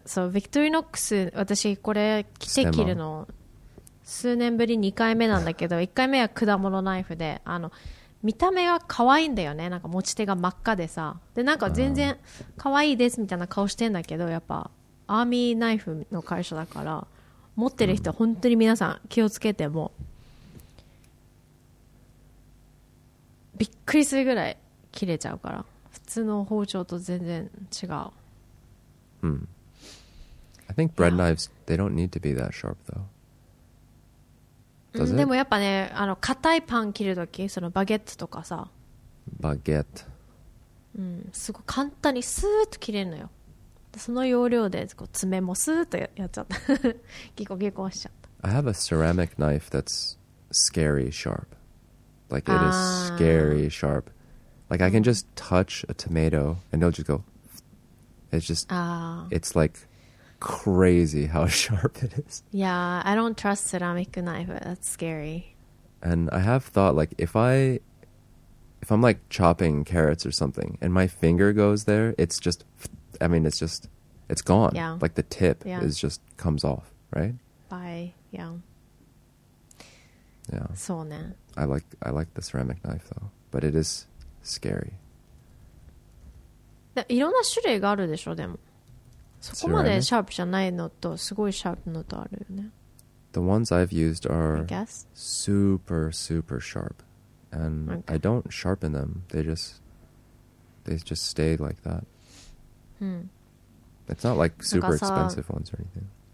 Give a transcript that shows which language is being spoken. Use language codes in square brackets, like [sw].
[ja] So Victorinox, 私これ着て切るの数年ぶり2回目なんだけど、1回目は果物ナイフで、あの見た目は可愛いんだよね、なんか持ち手が真っ赤でさ、でなんか全然可愛いですみたいな顔してんだけど、やっぱアーミーナイフの会社だから、持ってる人本当に皆さん気をつけて、もびっくりするぐらい切れちゃうから、普通の包丁と全然違う。 [en] I think bread knives, they don't need to be that sharp though. [ja] でもやっぱね、あの硬いパン切るとき、そのバゲットとかさ、バゲット、すごい簡単にスーッと切れるのよ。その要領でこう爪もスーッと やっちゃった。ギコギコしちゃった。 [en] I have a ceramic knife that's scary sharp. Like it is scary sharp. Like I can just touch a tomato and it'll just go. It's just, it's like. Crazy how sharp it is. Yeah, I don't trust ceramic knife. That's scary. And I have thought, like, if I'm like chopping carrots or something, and my finger goes there, it's just, I mean, it's just it's gone. Yeah. Like the tip yeah. is just comes off, right? By yeah. Yeah. So ne. I like the ceramic knife though, but it is scary. [ja] いろんな種類があるでしょ。でもそこまでシャープじゃないのとすごいシャープのとあるよね。 [en] The ones I've used are super super sharp, and I don't sharpen them. They just stay like that. It's not like super expensive ones or anything.